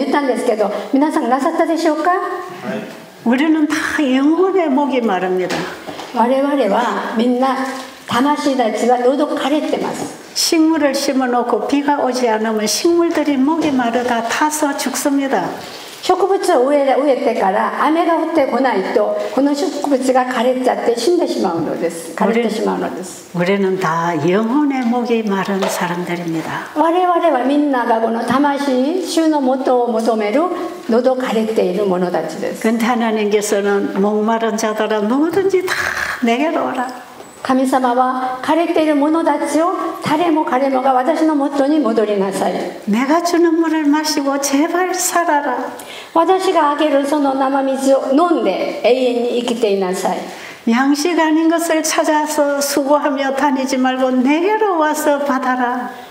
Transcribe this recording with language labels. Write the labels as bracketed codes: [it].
[ja] 皆様この間イザヤ書の55章をみんな深く研究してみてくださいと言ったんですけど皆さんなさったでしょうか? [ko] 우리는 다 영혼의 목이 마릅니다. [ja] 我々はみんな魂たちは喉枯れてます。 [ko] 식물을 심어놓고 비가 오지 않으면 식물들이 목이 마르다 타서 죽습니다. [ja] 植物を植えてから雨が降ってこないとこの植物が枯れちゃって死んでしまうのです。枯れてしまうのです。 [ko] 우리는 다 영혼의 목이 마른 사람들입니다. [ja] 我々はみんながこの魂主のもとを求める喉枯れているものたちです。 [ko] 근데 하나님께서는 목마른 자들아 누구든지 다 내게로 오라. [ja] 神様は枯れている者たちを誰も彼もが私のもとに戻りなさい。 [ko] 내가 주는 물을 마시고 제발 살아라. [ja] 私があげるその生水を飲んで永遠に生きていなさい。 [ko] 양식 아닌 것을 찾아서 수고하며 다니지 말고 내게로 와서 받아라.